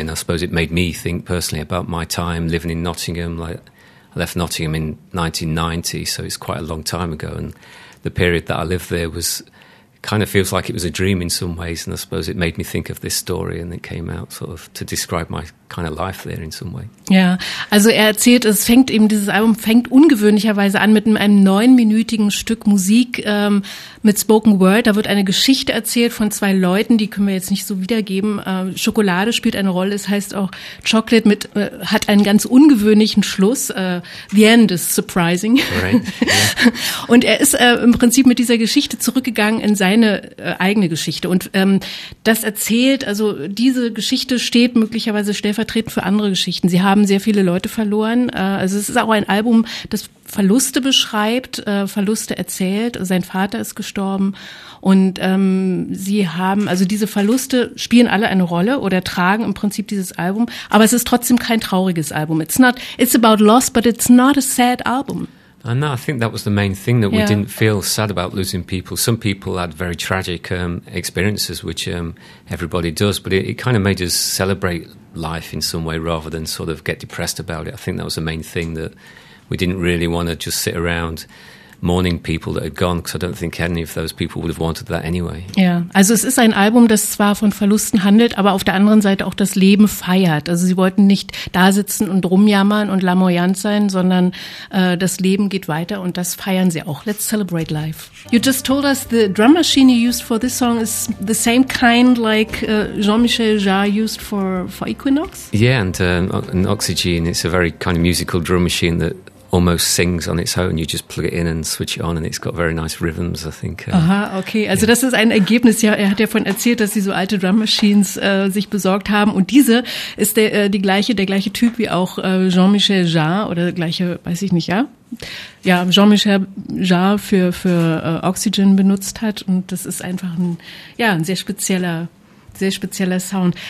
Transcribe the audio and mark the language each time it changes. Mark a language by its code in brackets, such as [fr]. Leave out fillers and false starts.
[en] And I suppose it made me think personally about my time living in Nottingham. Like, I left Nottingham in 1990, so it's quite a long time ago. And the period that I lived there was kind of feels like it was a dream in some ways, and I suppose it made me think of this story, and it came out sort of to describe my kind of life there in some way. [de] Ja, also er erzählt, es fängt eben, dieses Album fängt ungewöhnlicherweise an mit einem 9-minütigen Stück Musik mit Spoken Word. Da wird eine Geschichte erzählt von zwei Leuten, die können wir jetzt nicht so wiedergeben. Schokolade spielt eine Rolle, es heißt auch Chocolate mit hat einen ganz ungewöhnlichen Schluss. [en] The End is surprising. Right. Yeah. [de] Und er ist im Prinzip mit dieser Geschichte zurückgegangen in seine eigene Geschichte. Und das erzählt, also diese Geschichte steht möglicherweise stellvertretend für andere Geschichten. Sie haben sehr viele Leute verloren. Also es ist auch ein Album, das Verluste beschreibt, Verluste erzählt. Sein Vater ist gestorben. Und sie haben, also diese Verluste spielen alle eine Rolle oder tragen im Prinzip dieses Album. Aber es ist trotzdem kein trauriges Album. [en] It's about loss, but it's not a sad album. And that, I think that was the main thing, that we didn't feel sad about losing people. Some people had very tragic experiences, which everybody does, but it kind of made us celebrate life in some way rather than sort of get depressed about it. I think that was the main thing, that we didn't really want to just sit around mourning people that had gone, because I don't think any of those people would have wanted that anyway. [de] Ja, also es ist ein Album, das zwar von Verlusten handelt, aber auf der anderen Seite auch das Leben feiert. Also sie wollten nicht da sitzen und rumjammern und lamoyant sein, sondern das Leben geht weiter und das feiern sie auch. [en] Let's celebrate life. You just told us the drum machine you used for this song is the same kind like Jean-Michel Jarre used for Equinox? Yeah, and an Oxygene, it's a very kind of musical drum machine that almost sings on its own. You just plug it in and switch it on and it's got very nice rhythms, I think. [de] Aha, okay. Also das ist ein Ergebnis. Ja, er hat ja von erzählt, dass sie so alte Drum Machines sich besorgt haben. Und diese ist der gleiche Typ wie auch Jean-Michel Jarre oder gleiche, weiß ich nicht, ja? Ja, Jean-Michel Jarre für Oxygen benutzt hat. Und das ist einfach ein sehr spezieller Sound.